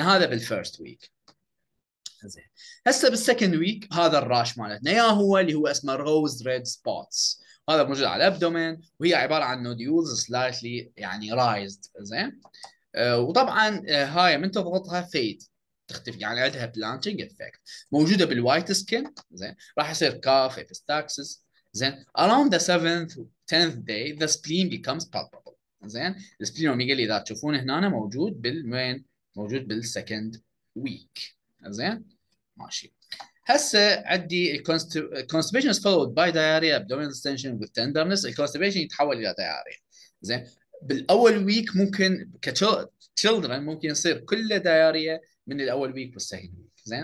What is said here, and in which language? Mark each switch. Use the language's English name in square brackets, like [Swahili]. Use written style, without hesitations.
[Arabic] هذا بالفيرست ويك زين. هسه بالسكند ويك هذا الراش مالتنا يا هو اللي هو اسمه روز ريد سبوتس، هذا موجود على الابدومين وهي عباره عن نوديولز سلايتلي يعني رايزد زين. وطبعا هاي من تضغطها فيد تختفي يعني عندها بلانشنج افكت. موجوده بالوايت سكين زين، راح يصير كاف ايبستاكسس زين. [English] around the 7th 10th day the spleen becomes palpable زين. [Arabic] السبلين اوميجا اللي اذا تشوفون هنا أنا موجود بالمين موجود بالسكند ويك زين ماشي. هسه عندي [English] الكونستبيشن is followed by diarrhoea abdominal distension with tenderness. [Arabic] الكونستبيشن يتحول الى دايريا زين. بالاول ويك ممكن كتشلدرن ممكن يصير كله دايريا من الاول ويك والسكند ويك زين.